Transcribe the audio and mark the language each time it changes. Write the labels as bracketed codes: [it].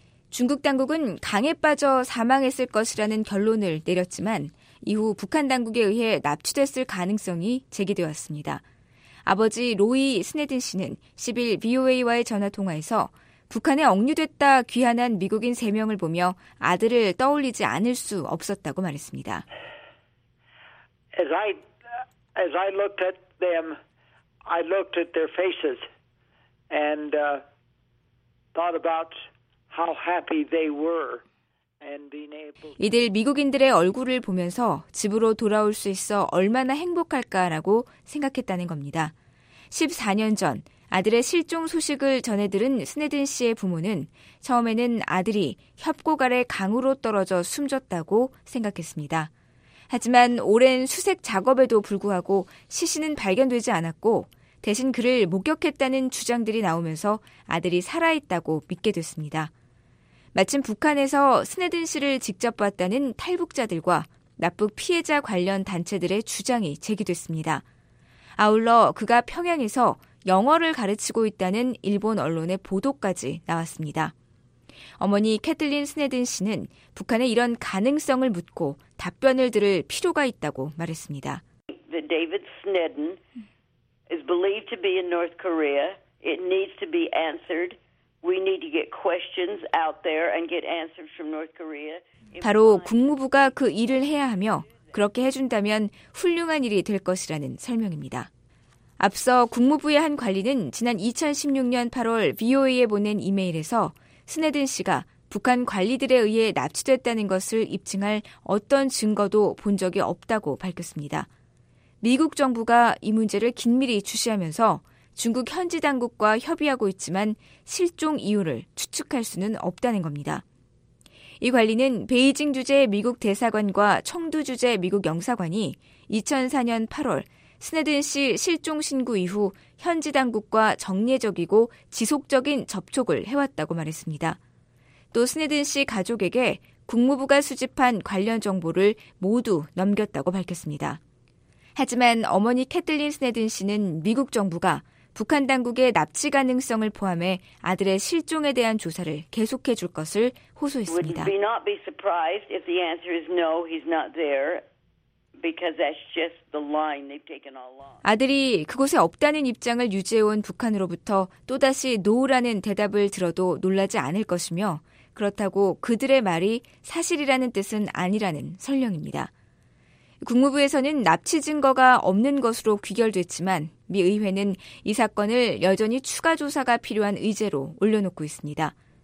[ko] 중국 당국은 강에 빠져 사망했을 것이라는 결론을 내렸지만 이후 북한 당국에 의해 납치됐을 가능성이 제기되었습니다. 아버지 로이 스네든 씨는 10일 VOA와의 전화통화에서 북한에 억류됐다 귀환한 미국인 3명을 보며 아들을 떠올리지 않을 수 없었다고 말했습니다. [en] As I looked at them, I looked at their faces and thought about how happy they were and being able. [ko] 이들 미국인들의 얼굴을 보면서 집으로 돌아올 수 있어 얼마나 행복할까라고 생각했다는 겁니다. 14년 전 아들의 실종 소식을 전해 들은 스네든 씨의 부모는 처음에는 아들이 협곡 아래 강으로 떨어져 숨졌다고 생각했습니다. 하지만 오랜 수색 작업에도 불구하고 시신은 발견되지 않았고 대신 그를 목격했다는 주장들이 나오면서 아들이 살아있다고 믿게 됐습니다. 마침 북한에서 스네든 씨를 직접 봤다는 탈북자들과 납북 피해자 관련 단체들의 주장이 제기됐습니다. 아울러 그가 평양에서 영어를 가르치고 있다는 일본 언론의 보도까지 나왔습니다. 어머니 캐틀린 스네든 씨는 북한의 이런 가능성을 묻고 답변을 들을 필요가 있다고 말했습니다. [en] David Snedden is believed to be in North Korea. It needs to be answered. We need to get questions out there and get answers from North Korea. [ko] 바로 국무부가 그 일을 해야 하며 그렇게 해준다면 훌륭한 일이 될 것이라는 설명입니다. 앞서 국무부의 한 관리는 지난 2016년 8월 VOA에 보낸 이메일에서 스네든 씨가 북한 관리들에 의해 납치됐다는 것을 입증할 어떤 증거도 본 적이 없다고 밝혔습니다. 미국 정부가 이 문제를 긴밀히 주시하면서 중국 현지 당국과 협의하고 있지만 실종 이유를 추측할 수는 없다는 겁니다. 이 관리는 베이징 주재 미국 대사관과 청두 주재 미국 영사관이 2004년 8월 스네든 씨 실종 신고 이후 현지 당국과 정례적이고 지속적인 접촉을 해왔다고 말했습니다. 또 스네든 씨 가족에게 국무부가 수집한 관련 정보를 모두 넘겼다고 밝혔습니다. 하지만 어머니 캐틀린 스네든 씨는 미국 정부가 북한 당국의 납치 가능성을 포함해 아들의 실종에 대한 조사를 계속해 줄 것을 호소했습니다. [en] Would we not be surprised if the answer is no, he's not there? Because that's just the line they've taken all along. [ko] 아들이 그곳에 없다는 입장을 유지해온 북한으로부터 또다시 노라는 대답을 들어도 놀라지 않을 것이며 그렇다고 그들의 말이 사실이라는 뜻은 아니라는 설명입니다. 국무부에서는 납치 증거가 없는 것으로 귀결됐지만 미 의회는 이 사건을 여전히 추가 조사가 필요한 의제로 올려놓고 있습니다.